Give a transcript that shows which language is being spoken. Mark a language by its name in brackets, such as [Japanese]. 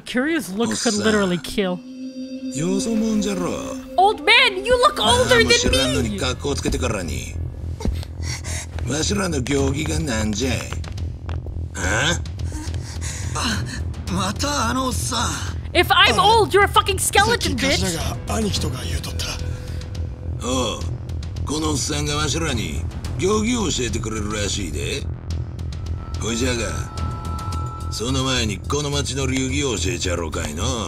[English] Dude, Curious looks could literally kill. [Japanese] よそもんじゃろ。 [English] Old man, you look older than me! [Japanese] わしらのに格好つけてからに。わしらの行儀がなんじゃい。ああ、またあのおっさん。 [English] If I'm old, you're a fucking skeleton, bitch! [Japanese] さっき、カシラが兄貴とか言うとった。おう、このおっさんがわしらに行儀を教えてくれるらしいで。ほいじゃが、その前にこの町の流儀を教えちゃろうかいの。